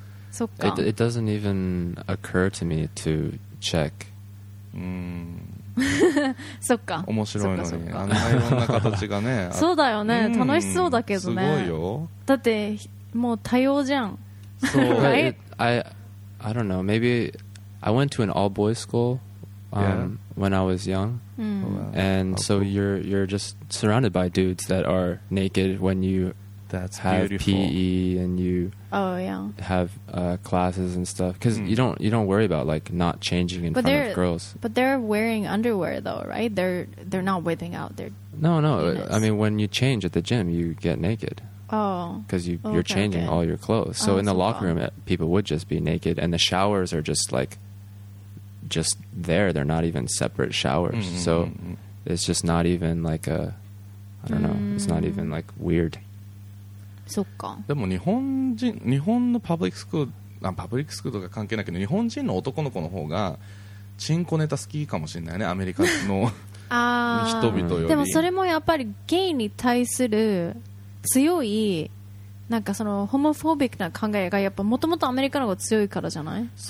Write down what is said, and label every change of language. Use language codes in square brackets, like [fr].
[ja] そっか。 [en] It doesn't even occur to me to check. [ja] そっか、面白いのに、あんないろんな形がねそうだよね、楽しそうだけどね。すごいよ、だってもう多様じゃん。 [en] So, right? I don't know. Maybe I went to an all boys school when I was young, and so you're just surrounded by dudes that are naked when you have PE and you have classes and stuff. Because you don't worry about like not changing in front of girls. But they're wearing underwear though, right? They're not whipping out their no. Penis. I mean, when you change at the gym, you get naked. Oh, because you're changing all your clothes. So in the locker room, people would just be naked, and the showers are just like, just there. They're not even separate showers. So it's just not even like a, I don't know. It's not even like weird. [ja] そっか。でも日本のパブリックスクール、パブリックスクールとか関係ないけど、日本人の男の子の方がチンコネタ好きかもしれないね、アメリカの人々より。でもそれもやっぱりゲイに対する強い、なんかそのホモフォービックな考えがやっぱもともとアメリカの方が強いからじゃない？